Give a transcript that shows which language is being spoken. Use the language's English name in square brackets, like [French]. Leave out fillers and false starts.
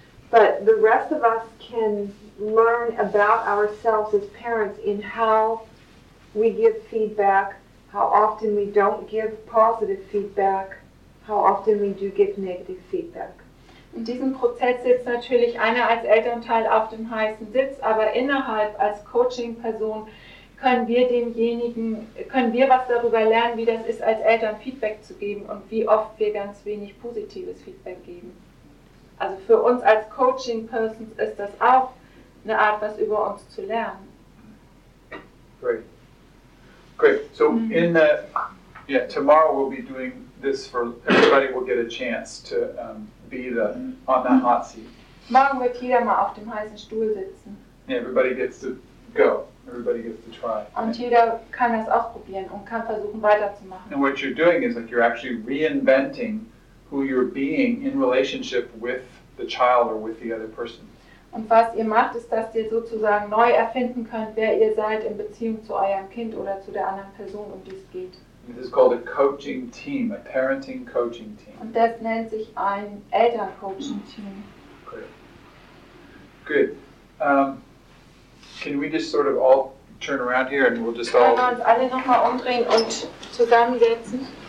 [English] But the rest of us can learn about ourselves as parents in how we give feedback, how often we don't give positive feedback, how often we do give negative feedback. [German] In diesem Prozess sitzt natürlich einer als Elternteil auf dem heißen Sitz, aber innerhalb als Coaching-Person können wir was darüber lernen, wie das ist, als Eltern Feedback zu geben und wie oft wir ganz wenig positives Feedback geben. Also für uns als Coaching-Persons ist das auch eine Art, was über uns zu lernen. [English] Great. So in the, tomorrow we'll be doing this for everybody. Will get a chance to be the on the hot seat. [German] Morgen wird jeder mal auf dem heißen Stuhl sitzen. [English] Yeah, everybody gets to go. Everybody gets to try. [German] Und jeder kann das auch probieren und kann versuchen weiterzumachen. [English] And what you're doing is like you're actually reinventing who you're being in relationship with the child or with the other person. [German] Und was ihr macht, ist, dass ihr sozusagen neu erfinden könnt, wer ihr seid in Beziehung zu eurem Kind oder zu der anderen Person, um die es geht. [English] This is called a coaching team, a parenting coaching team. [German] Und das nennt sich ein Eltern-Coaching Team. [English] Good. Can we just sort of all turn around here and we'll just all... [German] Können wir uns alle nochmal umdrehen und zusammensetzen?